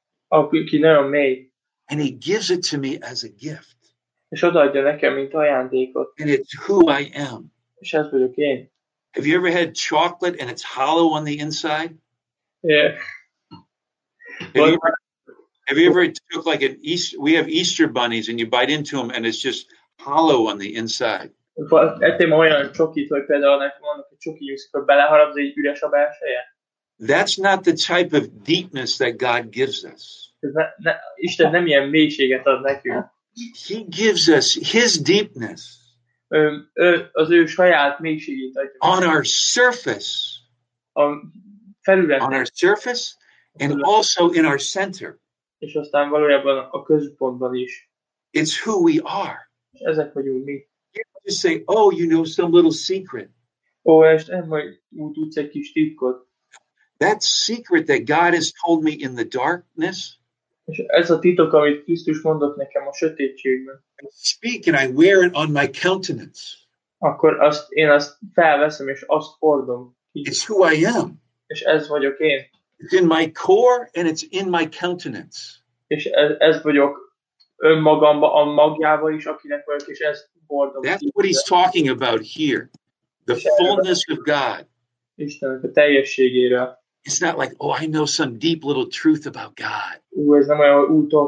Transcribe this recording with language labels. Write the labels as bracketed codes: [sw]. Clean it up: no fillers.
[en] And he gives it to me as a gift. [hu] És odaadja nekem, mint ajándékot. [en] And it's who I am. [hu] És ez vagyok én. [en] Have you ever had chocolate and it's hollow on the inside? Yeah. Have you ever took like an Easter, we have Easter bunnies and you bite into them and it's just hollow on the inside? That's not the type of deepness that God gives us. [hu] Isten nem ilyen mélységet ad nekünk. [en] He gives us his deepness. [hu] Az ő saját mélységét adja. [en] On our surface. [hu] A felületen. [en] On our surface and also in our center. [hu] És aztán valójában a középpontban is. [en] It's who we are. [hu] Ezek vagyunk mi. [en] You don't just say, oh, you know some little secret. [hu] Ó, este majd tudsz egy kis titkot. [en] That secret that God has told me in the darkness. [hu] És ez a titok, amit Krisztus mondott nekem a sötétségben. [en] I speak and I wear it on my countenance. [hu] Akkor azt, én azt felveszem és azt hordom. [en] It's who I am. [hu] És ez vagyok én. [en] It's in my core and it's in my countenance. [hu] És ez vagyok önmagamba, a magjába is, akinek vagyok, és ez hordom. [en] That's what he's talking about here. The fullness of God. [hu] Istennek a teljességére. [en] It's not like, oh, I know some deep little truth about God.